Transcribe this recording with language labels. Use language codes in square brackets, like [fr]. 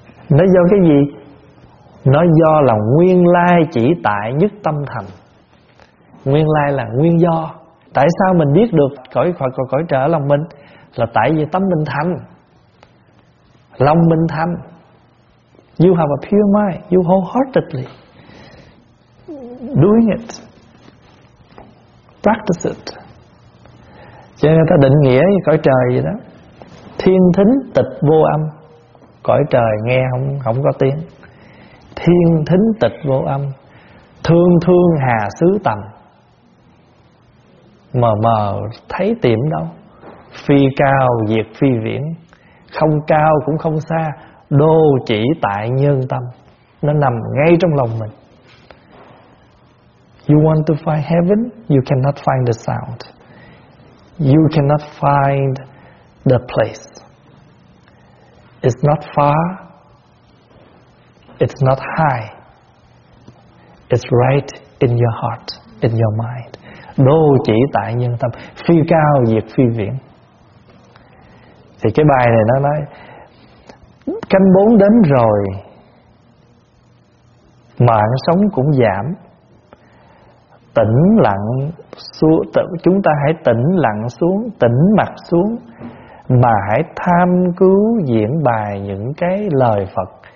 [vi] Nó do cái gì? Nó do là nguyên lai chỉ tại nhất tâm thành. Nguyên lai là nguyên do. Tại sao mình biết được cõi Phật và cõi trời ở lòng mình? Là tại vì tâm mình thành, lòng mình thành. [en] You have a pure mind, you wholeheartedly doing it, practice it. [vi] Cho nên người ta định nghĩa cõi trời vậy đó. Thiên thính tịch vô âm, cõi trời nghe không có tiếng. Thiên thính tịch vô âm, thương thương hà xứ tầm, mờ mờ thấy tiệm đâu. Phi cao diệt phi viễn, không cao cũng không xa, đô chỉ tại nhân tâm. Nó nằm ngay trong lòng mình. [en] You want to find heaven, you cannot find the sound, you cannot find the place. It's not far, it's not high, it's right in your heart, in your mind. [vi] Đô chỉ tại nhân tâm, phi cao diệt phi viễn. Thì cái bài này nó nói canh bốn đến rồi, mạng sống cũng giảm. Tĩnh lặng xuống, chúng ta hãy tĩnh lặng xuống, tĩnh mặt xuống, mà hãy tham cứu diễn bài những cái lời Phật.